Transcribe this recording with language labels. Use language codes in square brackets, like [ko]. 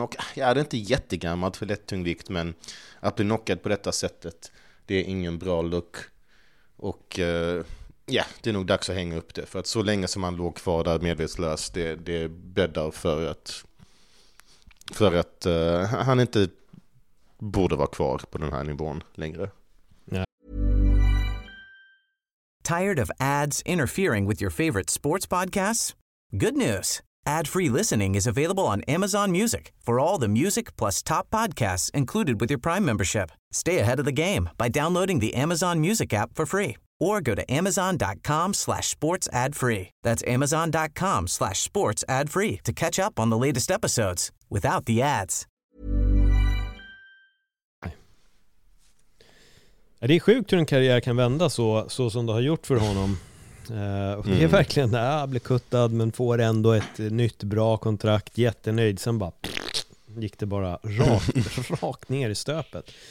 [sv] Och jag är inte jättegammalt för lätt tungvikt, men att bli knockad på detta sättet, det är ingen bra look. Och ja, det är nog dags att hänga upp det, för att så länge som han låg kvar där medvetslös, det bäddar för att han inte borde vara kvar på den här nivån längre. [en] Tired of ads interfering with your favorite sports podcasts? Good news. Ad-free listening is available on Amazon Music for all the music plus top podcasts included with your Prime membership. Stay ahead of the game by downloading the Amazon Music app for free or go to amazon.com/sportsadfree. That's amazon.com/sportsadfree to catch up on the latest episodes without the ads. [sv] Det är sjukt hur en karriär kan vända så som det har gjort för honom. Det är verkligen att han blir kuttad men får ändå ett nytt bra kontrakt. Jättenöjd. Sen bara gick det bara rakt ner i stöpet.